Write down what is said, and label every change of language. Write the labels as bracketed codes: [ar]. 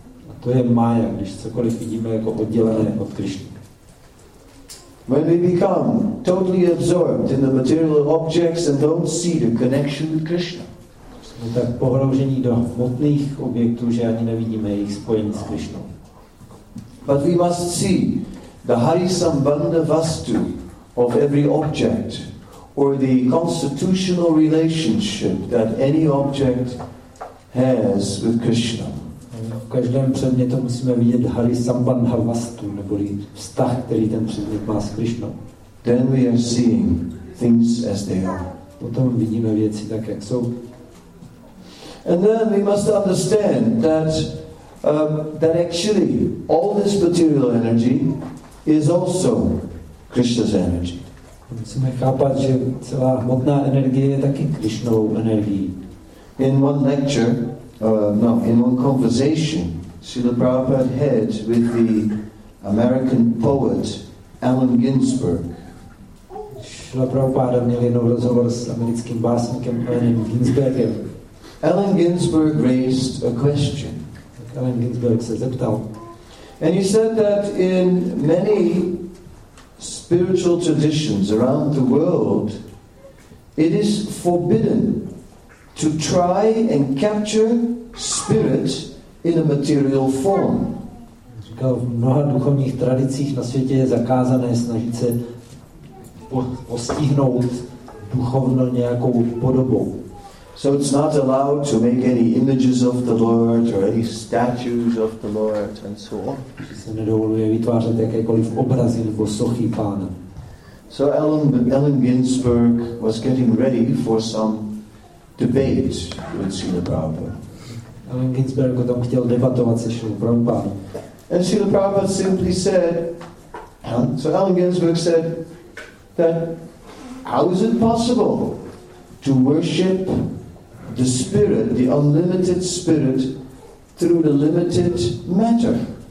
[cs] A to je Maya, když cokoliv vidíme jako oddělené od Krishna. [en] When we become totally absorbed in the material objects and don't see the connection with Krishna. [cs] Jsme tak pohroužení do hmotných objektů, že ani nevidíme jejich spojení s Krishnou. [en] But we must see the Hari Sambandha Vastu of every object or the constitutional relationship that any object has with Krishna. [cs] V každém předmětu musíme vidět Hari Sambandha Vastu, neboli vztah, který ten předmět má s Krishnou. [en] Then we are seeing things as they are. [cs] Potom vidíme věci tak, jak jsou. [en] And then we must understand that that actually all this material energy is also Krishna's energy. [cs] Musíme chápat, že celá hmotná energie je taky Krishnovou energií. [en] In one lecture, in one conversation, Srila Prabhupada had with the American poet Allen Ginsberg. [cs] Srila Prabhupada měl jednou rozhovor s americkým básníkem Allenem Ginsbergem. [en] Allen Ginsberg raised a question. [cs] Allen Ginsberg se zeptal. [en] And he said that in many spiritual traditions around the world, it is forbidden to try and capture spirit in a material form. [cs] Říkal, v mnoha duchovních tradicích na světě je zakázané snažit se postihnout duchovno nějakou podobou. [en] So it's not allowed to make any images of the Lord or any statues of the Lord and so on. [cs] Se nedovoluje vytvářet jakékoliv obrazy nebo sochy Pána. [en] So Allen Ginsberg was getting ready for some debate with Srila Prabhupada. [cs] Allen Ginsberg o tom chtěl debatovat se Srila Prabhupada. [en] And Srila Prabhupada simply said, so Allen Ginsberg said that how is it possible to worship the spirit, the unlimited spirit, through the limited matter.